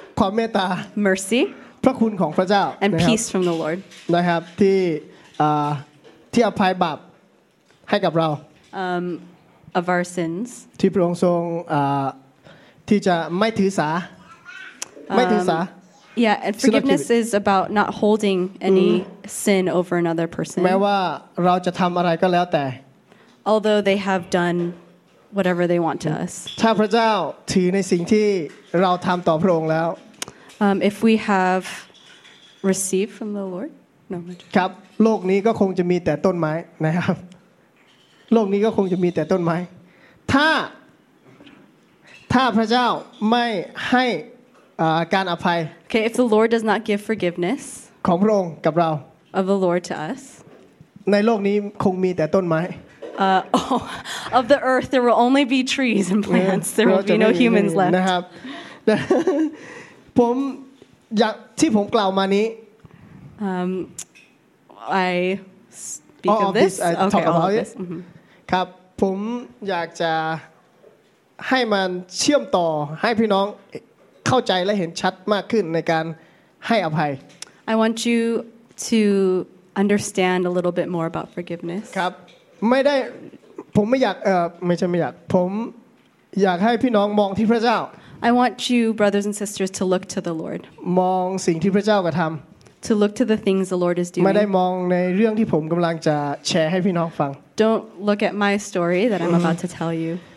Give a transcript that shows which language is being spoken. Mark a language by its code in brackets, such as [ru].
[th] ความเมตตา [en] mercy [th] พระคุณของพระเจ้า [en] and peace from the Lord [th] นะครับที่อภัยบาปให้กับเรา [en] of our sins [th] ที่พระองค์ทรงที่จะไม่ถือสาไม่ถือสา [en] Yeah, and forgiveness is about not holding any sin over another person. [th] แม้ว่าเราจะทําอะไรก็แล้วแต่ [en] Although they have done whatever they want to us. [th] ถ้าพระเจ้าถือในสิ่งที่เราทําต่อพระองค์แล้ว [en] if we have received from the Lord. No. [th] ครับโลกนี้ก็คงจะมีแต่ต้นไม้นะครับโลกนี้ก็คงจะมีแต่ต้นไม้ถ้าพระเจ้าไม่ให้การอภัย [en] Okay if the Lord does not give forgiveness [th] ของพระองค์กับเรา [en] of the Lord to us [th] ในโลกนี้คงมีแต่ต้นไม้ [en] of the earth there will only be trees and plants there will be no humans left [th] นะครับ ผมอย่างที่ผมกล่าวมานี้ [en] I speak of this. I talk about this. [th] ครับผมอยากจะให้มันเชื่อมต่อให้พี่น้องเข้าใจและเห็นชัดมากขึ้นในการให้อภัย [en] I want you to understand a little bit more about forgiveness. [th] ครับไม่ได้ผมไม่อยากไม่ใช่ไม่อยากผมอยากให้พี่น้องมองที่พระเจ้า [en] I want you brothers and sisters to look to the Lord. [th] มองสิ่งที่พระเจ้ากระทำ [en] To look to the things the Lord is doing. [th] ไม่ได้มองในเรื่องที่ผมกำลังจะแชร์ให้พี่น้องฟัง [en] Don't look at my story that I'm about to tell you.